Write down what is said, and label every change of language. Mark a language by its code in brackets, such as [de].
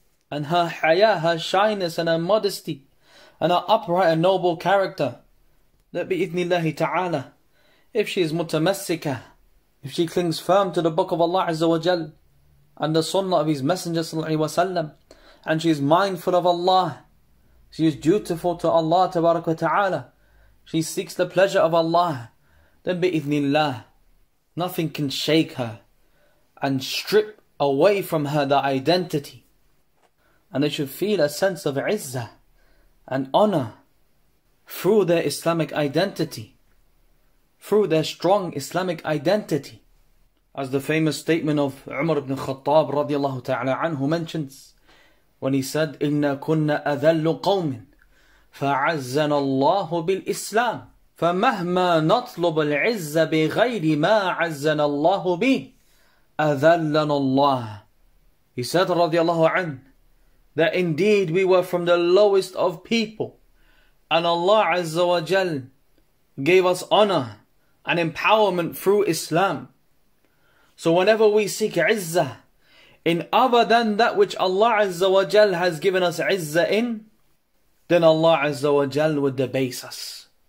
[en] and her haya, her shyness and her modesty and her upright and noble character, that bi'idhnillahi ta'ala, if she is mutamassika, if she clings firm to the book of Allah Azza wa Jal and the sunnah of his messenger sallallahu alayhi wa sallam, and she is mindful of Allah, she is dutiful to Allah tabaraka ta'ala, she seeks the pleasure of Allah, then bi'idhnillah, nothing can shake her and strip away from her the identity. And they should feel a sense of izzah and honor through their Islamic identity, through their strong Islamic identity. As the famous statement of Umar ibn Khattab radiallahu ta'ala anhu mentions, when he said, [ar] إِنَّا كُنَّا أَذَلُّ قَوْمٍ فَعَزَّنَ اللَّهُ بِالْإِسْلَامِ فَمَهْمَا نَطْلُبَ الْعِزَّ بِغَيْرِ مَا عَزَّنَ اللَّهُ بِهِ أَذَلَّنَ اللَّهُ. [en] He said radiallahu anhu, that indeed we were from the lowest of people, and Allah Azza wa Jal gave us honor and empowerment through Islam. So whenever we seek izzah in other than that which Allah Azza wa Jal has given us izzah in, then Allah Azza wa Jal would debase us.